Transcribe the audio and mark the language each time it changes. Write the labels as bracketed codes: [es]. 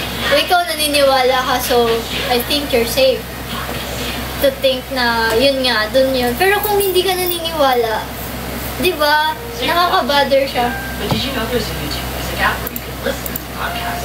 [tl] O, ikaw naniniwala ka, [en] so I think you're safe. [tl] To think na yun nga, dun yun. Pero kung hindi ka naniniwala, di ba? Nakaka-bother siya. [en] But did you know there's a YouTube music app where you can listen to podcasts?